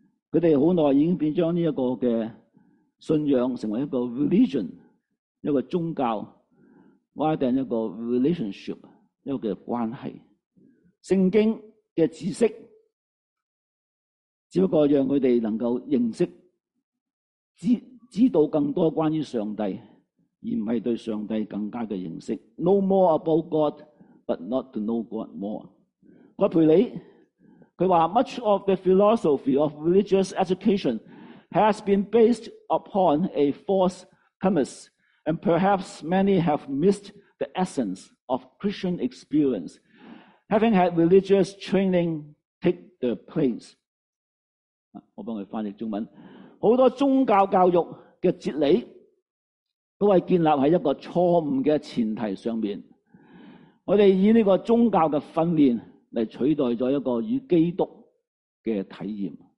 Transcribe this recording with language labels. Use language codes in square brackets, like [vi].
[zh] 他们很久已经变成这个的信仰成为一个 religion， 一个宗教，或者一个 relationship， 一个关系。圣经的知识只不过让他们能够认识知道更多关于上帝，而不是对上帝更加的认识。 [en] Know more about God but not to know God more。 [zh] 葛培里他说， [en] Much of the philosophy of religious education has been based upon a false premise and perhaps many have missed the essence of Christian experience having had religious training take the place。 [zh] 我帮他翻译中文，很多宗教教育的哲理都是建立在一个错误的前提上面。我们以这个宗教的训练来取代了一个与基督的体验。